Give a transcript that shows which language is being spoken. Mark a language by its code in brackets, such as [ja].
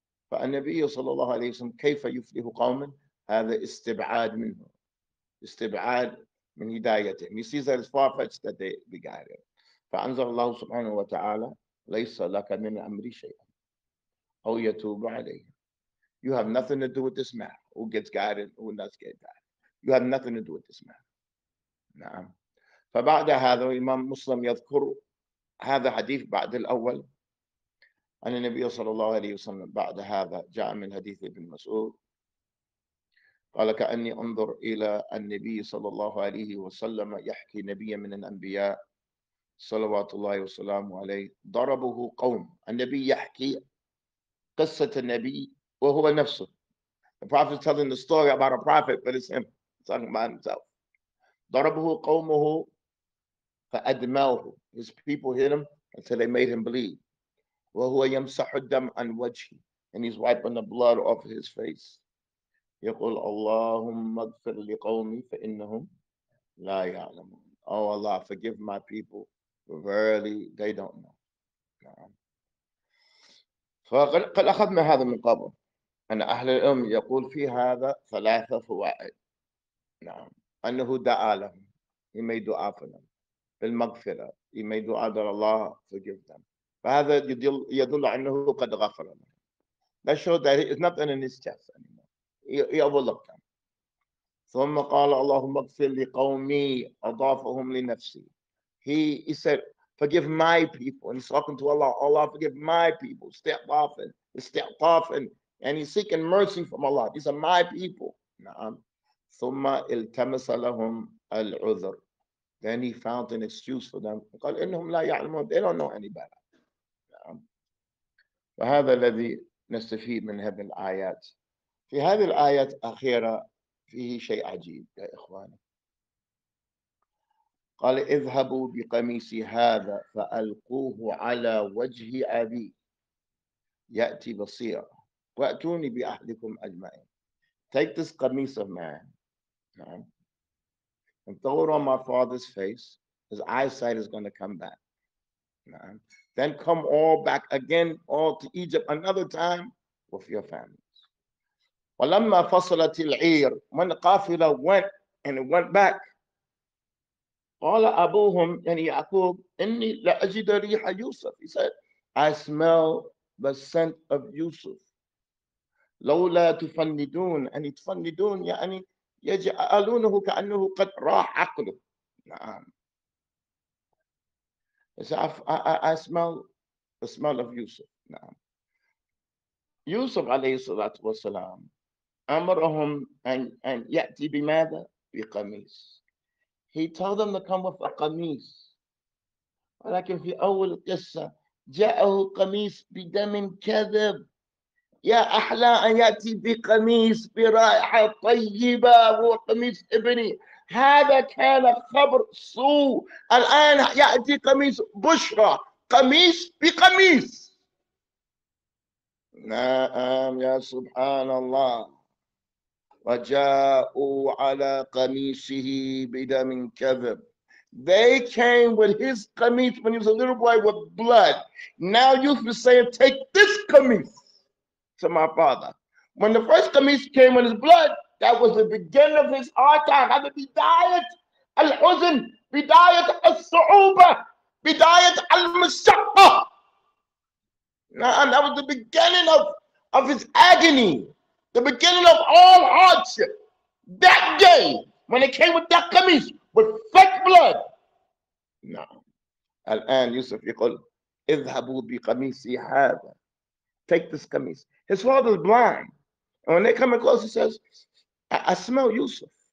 [ar] فالنبي صلى الله عليه وسلم كيف يفلح قوما؟ هذا استبعاد منه. استبعاد من هدايتهم. [en] He sees that it's far-fetched that they be guided. [ar] فأنزل الله سبحانه وتعالى ليس لك من أمري شيئا أو يتوب عليه. [en] You have nothing to do with this matter. Who gets guided, who does get guided. You have nothing to do with this matter. [ar] نعم. فبعد هذا الإمام مسلم يذكر هذا حديث بعد الأول أن النبي صلى الله عليه وسلم بعد هذا جاء من حديث ابن مسعود قال كأني أنظر إلى النبي صلى الله عليه وسلم يحكي نبيا من الأنبياء صلوات الله وسلامه عليه ضربه قوم. النبي يحكي قصة النبي وهو نفسه. [en] The prophet is telling the story about a prophet but it's him talking about himself. [ar] ضربه قومه فأدموه. [en] His people hit him until they made him bleed. [ar] وهو يمسح الدم عن وجهه [en] and he's wiping the blood off his face. [ar] يقول اللهم اغفر لقومي فإنهم لا يعلمون. [en] Oh Allah, forgive my people. Verily, they don't know. [ar] فقد أخذنا هذا من قبل أن أهل العلم يقول في هذا ثلاثة فوائد. نعم. أنه دعا لهم. [en] He made dua for them. [ar] بالمغفرة. [en] He made dua that Allah forgive them. [ar] فهذا يدل أنه قد غفر لهم. [en] That shows that it's nothing in his chest anymore. He overlooked them. [ar] ثم قال اللهم اغفر لقومي، أضافهم لنفسي. [en] He said forgive my people, and he's talking to Allah. Allah forgive my people. استعطافا and he's seeking mercy from Allah. These are my people. [ar] نعم. ثم التمس لهم العذر. [en] Then he found an excuse for them. [ar] قال إنهم لا يعلمون. [en] They don't know any better. [ar] نعم. وهذا الذي نستفيد من هذه الآيات. في هذه الآيات الأخيرة فيه شيء عجيب يا إخواني. قال اذهبوا بقميصي هذا فألقوه على وجه أبي يأتي بصيرا وأتوني بأهلكم أجمعين. [en] Take this قميص of mine. [ar] نعم. [en] And throw it on my father's face. His eyesight is going to come back. [ar] نعم. [en] Then come all back again, all to Egypt another time with your families. [ar] ولما فصلت العير, [en] when the قافلة went and it went back, [ar] قال أبوهم يعني يعقوب إني لأجد ريح يوسف. [en] He said, I smell the scent of Yusuf. [ar] لولا تفندون, يعني تفندون يعني يجعلونه كأنه قد راح عقله. نعم. [en] He said, I smell the smell of Yusuf. [ar] نعم. يوسف عليه الصلاة والسلام أمرهم أن يأتي بماذا؟ بقميص. [en] He told them to come with a qamis. [ar] ولكن في أول القصة جاءه قميص بدم كذب. يا أحلى أن يأتي بقميص برائحة طيبة هو قميص ابني. هذا كان خبر سوء. الآن يأتي قميص بشرى. قميص بقميص. نعم يا سبحان الله. وجاءوا على قميصه بدم كذب. [en] They came with his قميص when he was a little boy with blood. Now Yusuf is saying, take this قميص to my father. When the first قميص came with his blood, that was the beginning of his hard time. [ar] هذا بداية الحزن, بداية الصعوبة, بداية المشقة. [en] نعم, that was the beginning of his agony. The beginning of all hardship. That day, when it came with that قميص, with fake blood. [ar] نعم. الآن يوسف يقول, اذهبوا بقميصي هذا. [en] Take this قميص. His father is blind. And when they come across, he says, I smell Yusuf.